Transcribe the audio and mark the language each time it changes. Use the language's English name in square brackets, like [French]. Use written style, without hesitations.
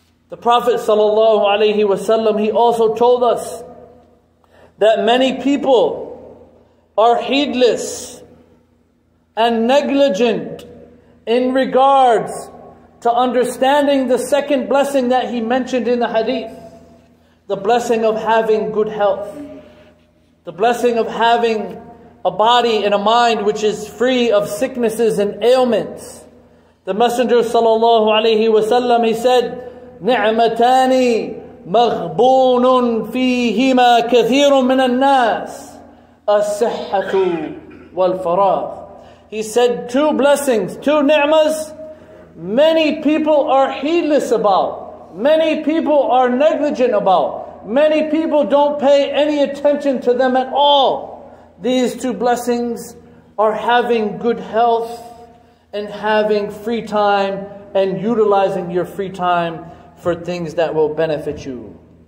[English] The Prophet sallallahu alaihi wasallam, he also told us that many people are heedless and negligent in regards to understanding the second blessing that he mentioned in the hadith, the blessing of having good health, the blessing of having a body and a mind which is free of sicknesses and ailments. The Messenger sallallahu alaihi wasallam, he said, [Arabic] نِعْمَتَانِ مَغْبُونٌ فِيهِمَا كَثِيرٌ مِنَ النَّاسِ الصِّحَّةُ وَالْفَرَاغُ. [English] He said, two blessings, two ni'mas, many people are heedless about, many people are negligent about, many people don't pay any attention to them at all. These two blessings are having good health and having free time and utilizing your free time for things that will benefit you.